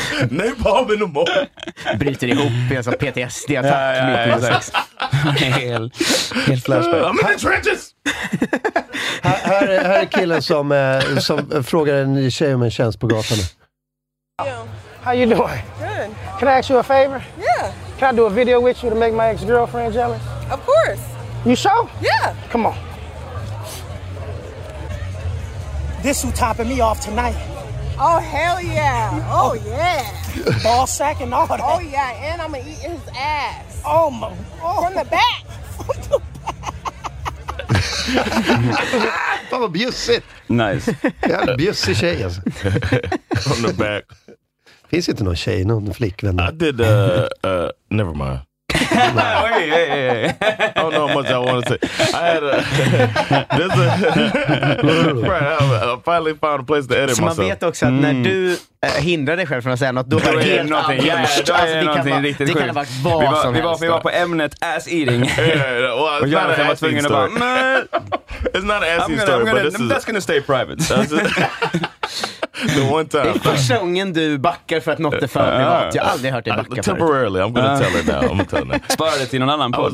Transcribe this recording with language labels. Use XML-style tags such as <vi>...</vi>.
<en>Napalm in the morning.</en> <sv>Bryter ihop en sån PTSD-attack. Helt flashback.</sv> <en>I'm in the trenches.</en> <sv>här är killen som frågar en ny tjej om en tjänst på gatan nu.</sv> <en>How you doing? Good. Can I ask you a favor? Yeah. Can I do a video with you to make my ex-girlfriend jealous? Of course. You sure? Yeah. Come on. This who topping me off tonight. Oh, hell yeah. Oh, yeah. Ball sack and all that. Oh, yeah. And I'm going to eat his ass. Oh, my. Oh. From the back. From the back.</en> <sv>Fan vad bjussigt.</sv> <en>Nice.</en> <sv>Jävla bjussig tjej alltså.</sv> <en>From the back.</en> <sv>Finns inte någon tjej, någon flickvän?</sv> <en>I did, never mind. I don't know how much I want to say. I had a, this a, I finally found a place to edit</en> <sv>så</sv> <en>myself.</en> <sv>Så man vet också att när du hindrar dig själv från att säga något, då har du gjort någonting. Yeah, alltså, någonting kan riktigt sjukt. Det kan ha varit vad som helst. Vi var på ämnet ass eating. Och jag var tvungen att bara,</sv> <en>it's not an ass eating story, but this is that's gonna stay private. The one time.</en> <sv>Det är första gången du backar för att något är för privat. Jag har aldrig hört dig backa förut.</sv> <en>Temporarily, I'm gonna tell it now. I'm telling it.</en> <sv>Spara det till någon annan podd.</sv>